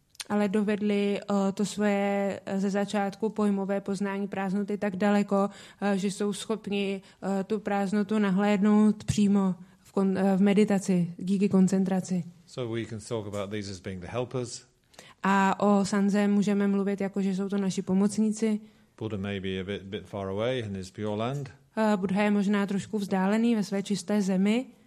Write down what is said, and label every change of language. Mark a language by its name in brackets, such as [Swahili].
[Czech] Ale dovedli to svoje ze začátku pojmové poznání prázdnoty tak daleko, že jsou schopni tu prázdnotu nahlédnout přímo v meditaci, díky koncentraci. [English] So we can talk about these as being the helpers. [Czech] A o sanze můžeme mluvit jako, že jsou to naši pomocníci. [English] Buddha may be a bit far away in his pure land. [Czech] Buddha je možná trošku vzdálený ve své čisté zemi.